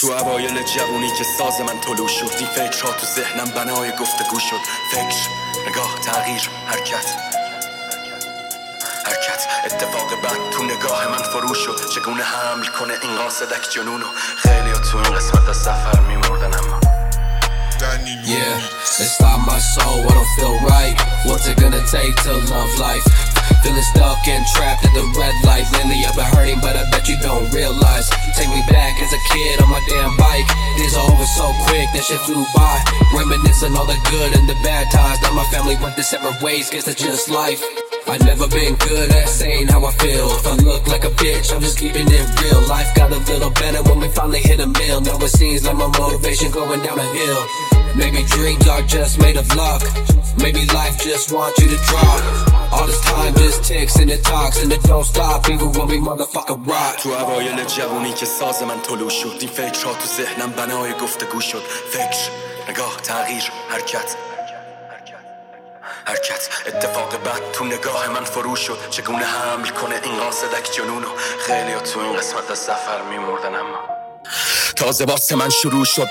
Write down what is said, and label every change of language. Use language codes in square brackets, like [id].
[fa] تو اوایل جوونی که ساز من طلوع شد، این فکرها تو ذهنم بنای گفتگو شد. فکر، نگاه، تغییر، حرکت، حرکت. اتفاق بعد تو نگاه من فرو شد. چگونه حمل کنه این قاصدک جنونو؟ خیلی ها تو این قسمت از سفر میموردن، اما [en] Yeah, it's time my soul, I don't feel right. What's it gonna take to love life? Feeling stuck and trapped at the red light. Lately I've been hurting, but I bet you don't realize. Take me back as a kid on my damn bike. Days are over so quick, that shit flew by. Reminiscing all the good and the bad times. Now my family went their separate ways, cause it's just life. I've never been good at saying how I feel. If I look like a bitch, I'm just keeping it real. Life got a little better when we finally hit a mill. Now it seems like my motivation going down a hill. Maybe dreams are just made of luck. Maybe life just wants you to drop. All this time just ticks and it talks. And it don't stop even when we motherfucker rock. [fa] تو اوایل جوانی که ساز من طلوع شد، این فکرها تو ذهنم بنای گفتگو شد. فکر، نگاه، تغییر، حرکت، حرکت. اتفاق بعد تو نگاه من فرو شد. چگونه حمل کنه این قاصدک جنونو؟ خیلی ها تو این قسمت از سفر میموردن، اما تازه واسه من شروع شد.